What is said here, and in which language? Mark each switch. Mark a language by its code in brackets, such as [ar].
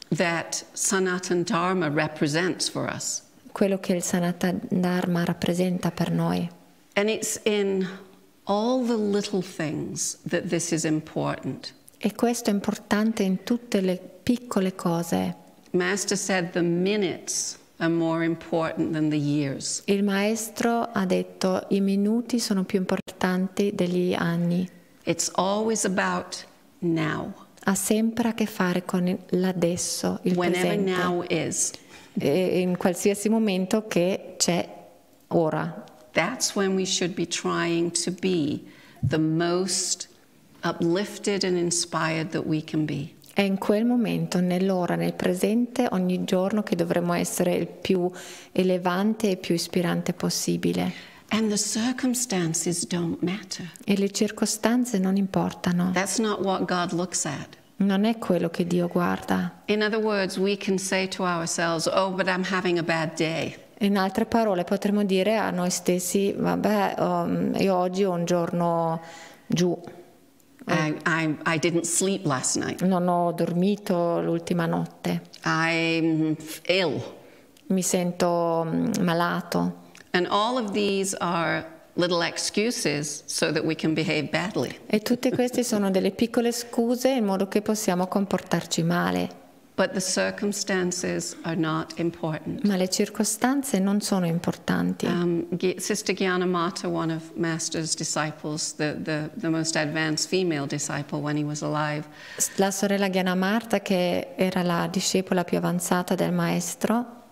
[en] That Sanatana Dharma represents for us. [it] Quello che il Sanatana Dharma rappresenta per noi. [en] And it's in all the little things that this is important. [it] E questo è importante in tutte le piccole cose. [en] Master said the minutes are more important than the years. [it] Il maestro ha detto i minuti sono più importanti degli anni. [en] It's always about now. [it] Ha sempre a che fare con l'adesso, il [en] whenever [it] presente. [en] Now is. [it] E in qualsiasi momento che c'è ora. [en] That's when we should be trying to be the most uplifted and inspired that we can be. [it] È in quel momento, nell'ora, nel presente, ogni giorno che dovremmo essere il più elevante e più ispirante possibile. [en] And the circumstances don't matter. [it] E le circostanze non importano. [en] That's not what God looks at. [it] Non è quello che Dio guarda. [en] In other words, we can say to ourselves, oh, but I'm having a bad day. [it] In altre parole, potremmo dire a noi stessi, vabbè, io oggi ho un giorno giù. [en] I didn't sleep last night. [it] Non ho dormito l'ultima notte. [en] I'm ill. [it] Mi sento malato. [en] And all of these are little excuses so that we can behave badly. [it] E tutte queste sono delle piccole scuse in modo che possiamo comportarci male. [en] But the circumstances are not important. [it] Ma le circostanze non sono importanti. [en] Sister Gyana Mata, one of Master's disciples, the most advanced female disciple when he was alive. [it] La sorella Gyana Mata, che era la discepola più avanzata del maestro.